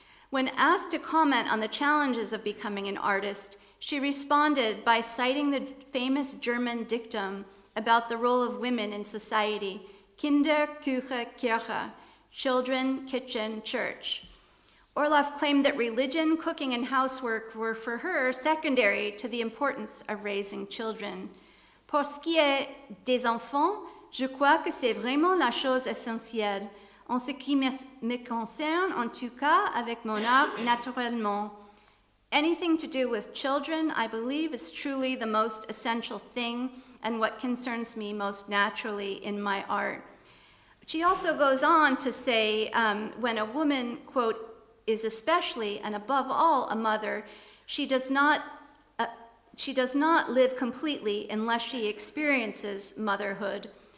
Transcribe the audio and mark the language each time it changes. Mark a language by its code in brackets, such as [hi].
[en] When asked to comment on the challenges of becoming an artist, she responded by citing the famous German dictum about the role of women in society, [de] Kinder, Küche, Kirche, [en] children, kitchen, church. Orloff claimed that religion, cooking, and housework were for her secondary to the importance of raising children. [fr] Pour ce qui est des enfants, je crois que c'est vraiment la chose essentielle. En ce qui me concerne, en tout cas, avec mon art, naturellement. [en] Anything to do with children, I believe, is truly the most essential thing and what concerns me most naturally in my art. She also goes on to say, when a woman, quote, is especially and above all a mother, she does not live completely unless she experiences motherhood.